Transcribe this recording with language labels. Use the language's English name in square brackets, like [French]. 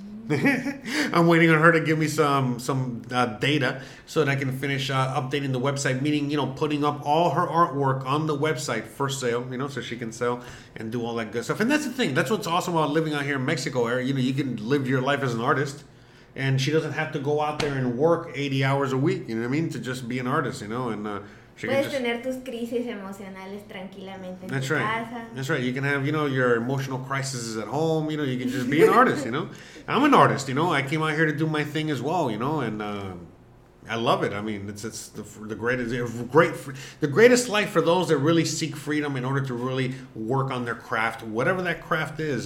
[English] I'm waiting on her to give me some data so that I can finish updating the website, meaning, you know, putting up all her artwork on the website for sale, you know, so she can sell and do all that good stuff. And that's the thing. That's what's awesome about living out here in Mexico, Eric. You know, you can live your life as an artist, and she doesn't have to go out there and work 80 hours a week, you know what I mean, to just be an artist, you know, and [Spanish] puedes tener tus crisis emocionales tranquilamente en tu casa. [English] That's right. You can have, you know, your emotional crises at home. You know, you can just be an artist, you know. I'm an artist, you know. I came out here to do my thing as well, you know. And I love it. I mean, it's the greatest life for those that really seek freedom in order to really work on their craft, whatever that craft is.